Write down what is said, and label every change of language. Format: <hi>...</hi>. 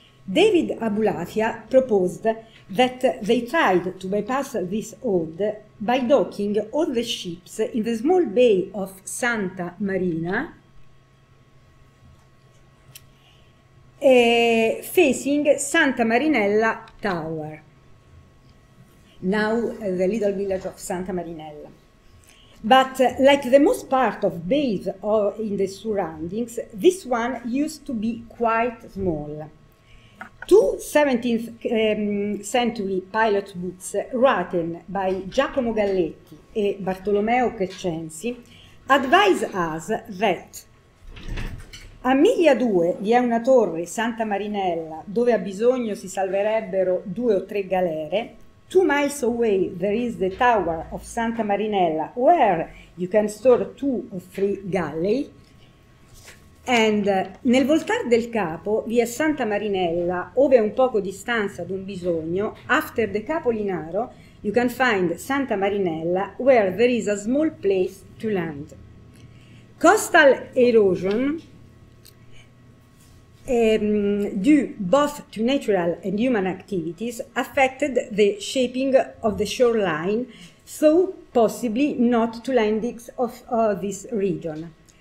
<en>David Abulafia proposed that they tried to bypass this hold by docking all the ships in the small bay of Santa Marina, facing Santa Marinella Tower, now the little village of Santa Marinella. But like the most part of bays in the surroundings, this one used to be quite small. Two 17th century pilot books, written by Giacomo Galletti e Bartolomeo Crescenzi, advise us that</en> <it>a miglia 2 vi è una torre, Santa Marinella, dove a bisogno si salverebbero due o tre galere.</it> <en>2 miles away there is the Tower of Santa Marinella, where you can store two or three galley. And</en> <it>nel voltar del capo vi è Santa Marinella, ove a un poco di stanza d'un bisogno,</it> <en>after the Capo Linaro, you can find Santa Marinella, where there is a small place to land. Coastal erosion, due both to natural and human activities, affected the shaping of the shoreline, so possibly not to landings of this region.</en>